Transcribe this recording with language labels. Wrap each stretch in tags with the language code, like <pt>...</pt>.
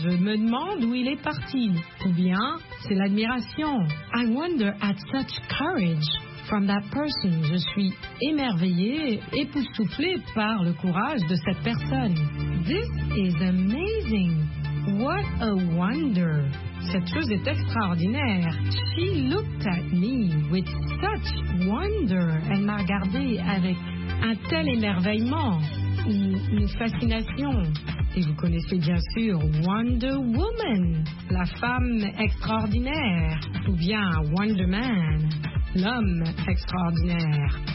<fr>Je me demande où il est parti. Ou bien, c'est l'admiration.</fr> <en>I wonder at such courage from that person.</en> <fr>Je suis émerveillée, époustouflée par le courage de cette personne.</fr> <en>This is amazing. What a wonder.</en> <fr>Cette chose est extraordinaire.</fr> <en>She looked at me with such wonder.</en> <fr>Elle m'a regardée avec un tel émerveillement. Une fascination. Et vous connaissez bien sûr Wonder Woman, la femme extraordinaire. Ou bien Wonder Man, l'homme extraordinaire.</fr>